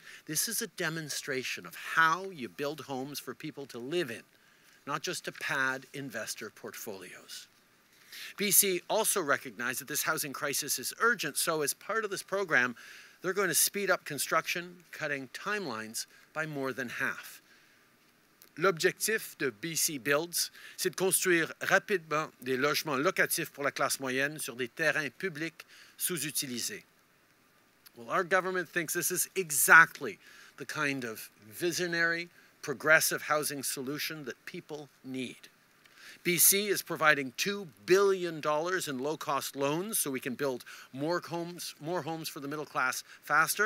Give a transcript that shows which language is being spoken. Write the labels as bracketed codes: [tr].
[en] This is a demonstration of how you build homes for people to live in, not just to pad investor portfolios. BC also recognized that this housing crisis is urgent, so as part of this program, they're going to speed up construction, cutting timelines by more than half. [fr] L'objectif de BC Builds, c'est de construire rapidement des logements locatifs pour la classe moyenne sur des terrains publics sous-utilisés. [en] Well, our government thinks this is exactly the kind of visionary, progressive housing solution that people need. BC is providing $2 billion in low-cost loans so we can build more homes for the middle class faster.